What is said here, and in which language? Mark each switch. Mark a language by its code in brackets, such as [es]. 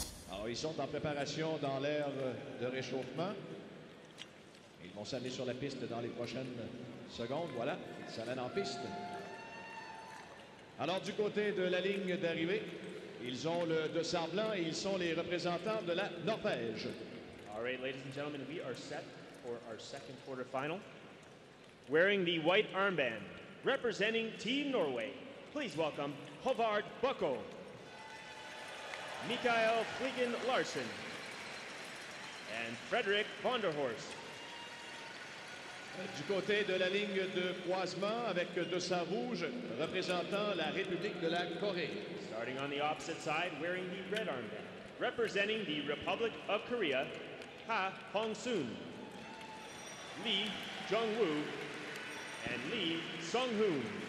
[fr] Alors, ils sont en préparation dans l'aire de réchauffement. Ils vont s'amener sur la piste dans les prochaines secondes. Voilà, ils s'amènent en piste. Alors, du côté de la ligne d'arrivée, ils ont le dossard blanc et ils sont les représentants de la Norvège. [en] All right, ladies and gentlemen, we are set for our second quarterfinal. Wearing the white armband, representing Team Norway, please welcome Håvard Bucko, Mikael Fligen Larsen, and Frederik Vanderhorst. [fr] Du côté de la ligne de croisement avec dossard rouge, représentant la République de la Corée. [en] Starting on the opposite side, wearing the red armband, representing the Republic of Korea, Ha Hong-soon, Lee Jung-woo, and Lee Sung-hoon.